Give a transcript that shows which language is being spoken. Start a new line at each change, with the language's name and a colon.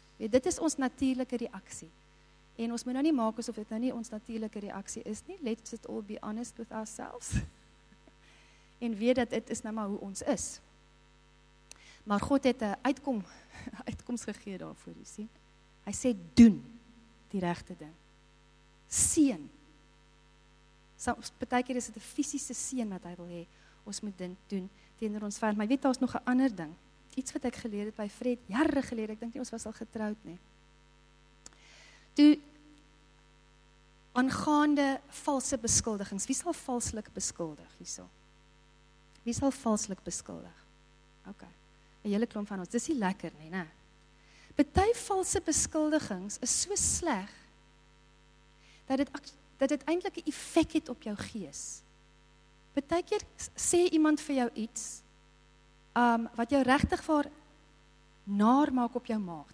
Afrikaans: Weet, dit is ons natuurlijke reaksie, en ons moet nou nie maak asof dit nou nie ons natuurlijke reaksie is nie,
English: let's it all be honest with ourselves,
Afrikaans: en weet dat dit is nou maar hoe ons is. Maar God het 'n uitkoms gegee daarvoor, jy sien. Hy sê, doen die regte ding. Seën. Partykeer is dit 'n fisiese seën wat hy wil hê. Ons moet dit doen teenoor ons vyand. Maar weet, daar is nog 'n ander ding. Iets wat ek geleer het by Fred, jare geleer, ek dink nie, ons was al getroud nie. Toe, aangaande valse beskuldigings, wie sal valslik beskuldig, hierso? Wie sal valslik beskuldig? Ok, een hele klomp van ons, dis nie lekker nie, ne? Party valse beskuldigings is so sleg, dat dit eintlik 'n effek het op jou gees. Partykeer sê iemand vir jou iets wat jou regtig vir naar maak op jou maag.